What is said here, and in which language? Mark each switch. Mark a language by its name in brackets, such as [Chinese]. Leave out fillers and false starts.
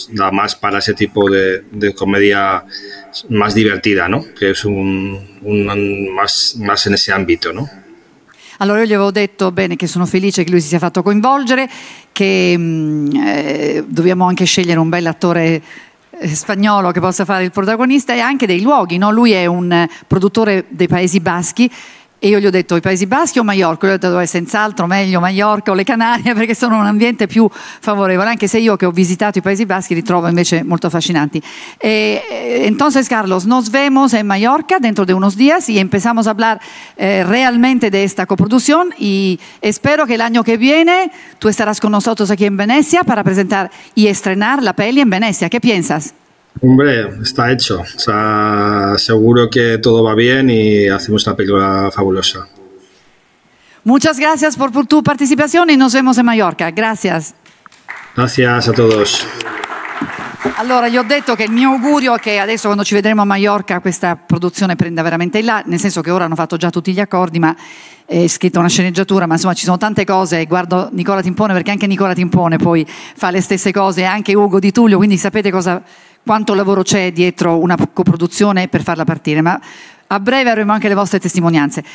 [Spanish] Da más para ese tipo de comedia más divertida, ¿no? Que es un más en ese ámbito, ¿no? [Italian] Allora, io gli avevo detto bene che sono felice che lui si sia fatto coinvolgere, che dobbiamo anche scegliere un bel attore spagnolo che possa fare il protagonista, e anche dei luoghi, no? Lui è un produttore dei Paesi Baschi, E io gli ho detto i Paesi Baschi o Maiorca, gli ho detto senz'altro meglio Maiorca o le Canarie, perché sono un ambiente più favorevole, anche se io che ho visitato i Paesi Baschi li trovo invece molto affascinanti. [Spanish] E entonces Carlos, nos vemos en Mallorca dentro de unos días y empezamos a hablar realmente de esta coproducción y espero que el año que viene tú estarás con nosotros aquí en Venecia para presentar y estrenar la peli en Venecia. ¿Qué piensas? Hombre, está hecho. O sea, seguro que todo va bien y hacemos una película fabulosa. Muchas gracias por tu participación y nos vemos en Mallorca. Gracias. Gracias a todos. [Italian] Allora, gli ho detto che il mio augurio è che adesso quando ci vedremo a Mallorca questa produzione prenda veramente là, nel senso che ora hanno fatto già tutti gli accordi, ma è scritta una sceneggiatura, ma insomma ci sono tante cose, guardo Nicola Timpone perché anche Nicola Timpone poi fa le stesse cose, anche Ugo Di Tullio, quindi sapete cosa, quanto lavoro c'è dietro una coproduzione per farla partire, ma a breve avremo anche le vostre testimonianze.